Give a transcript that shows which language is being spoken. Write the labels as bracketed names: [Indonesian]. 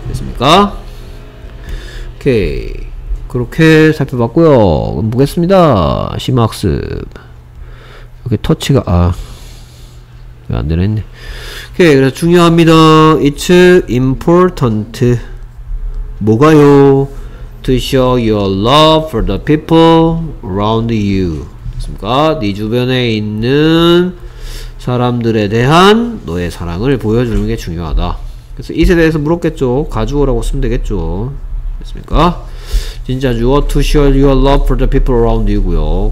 [Korean] 됐습니까? 오케이. 그렇게 살펴봤고요. 그럼 보겠습니다. 심학습. 이렇게 터치가 왜 안 되네. 오케이, 그래서 중요합니다. [English] It's important. [Korean] 뭐가요? [English] To show your love for the people around you. [Korean] 됐습니까? 네 주변에 있는 사람들에 대한 너의 사랑을 보여주는 게 중요하다. 그래서 it에 대해서 물었겠죠. 가주어라고 쓰면 되겠죠. 됐습니까? 진짜 [English] you are to show your love for the people around you고요.